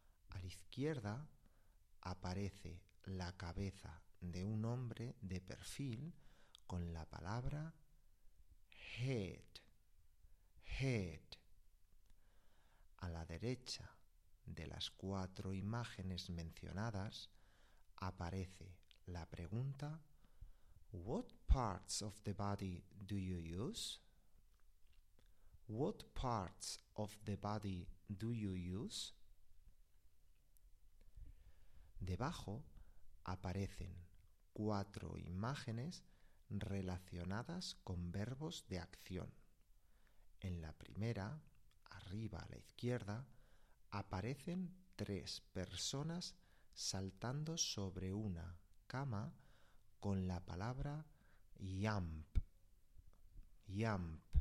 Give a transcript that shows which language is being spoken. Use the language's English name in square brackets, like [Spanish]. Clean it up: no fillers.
[Spanish] A la izquierda aparece la cabeza de un hombre de perfil con la palabra head. Head. A la derecha de las cuatro imágenes mencionadas aparece la pregunta [English] What parts of the body do you use? What parts of the body do you use? [Spanish] Debajo aparecen cuatro imágenes relacionadas con verbos de acción. En la primera, arriba a la izquierda, aparecen tres personas saltando sobre una cama con la palabra jump. Jump.